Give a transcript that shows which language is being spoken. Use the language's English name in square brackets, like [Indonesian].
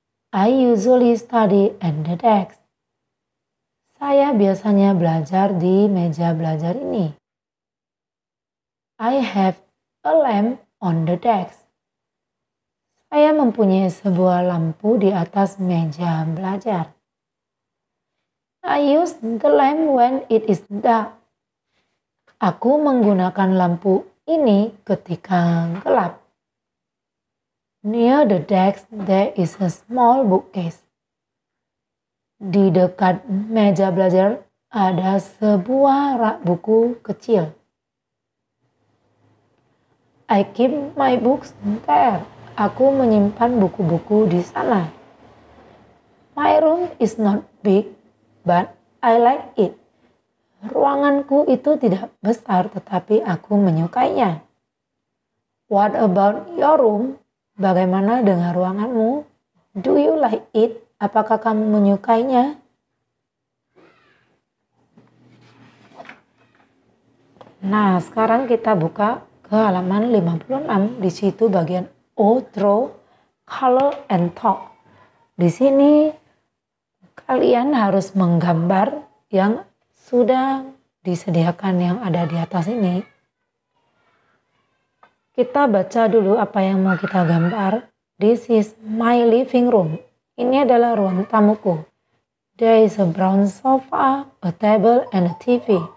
[English] I usually study at the desk. [Indonesian] Saya biasanya belajar di meja belajar ini. [English] I have a lamp on the desk. [Indonesian] Saya mempunyai sebuah lampu di atas meja belajar. [English] I use the lamp when it is dark. [Indonesian] Aku menggunakan lampu ini ketika gelap. [English] Near the desk, there is a small bookcase. [Indonesian] Di dekat meja belajar ada sebuah rak buku kecil. [English] I keep my books there. [Indonesian] Aku menyimpan buku-buku di sana. [English] My room is not big, but I like it. [Indonesian] Ruanganku itu tidak besar, tetapi aku menyukainya. [English] What about your room? [Indonesian] Bagaimana dengan ruanganmu? [English] Do you like it? [Indonesian] Apakah kamu menyukainya? Nah, sekarang kita buka ke halaman 56. Di situ bagian outro, [English] color and talk. [Indonesian] Di sini kalian harus menggambar yang sudah disediakan yang ada di atas ini. Kita baca dulu apa yang mau kita gambar. [English] This is my living room. [Indonesian] Ini adalah ruang tamuku. [English] There is a brown sofa, a table, and a TV.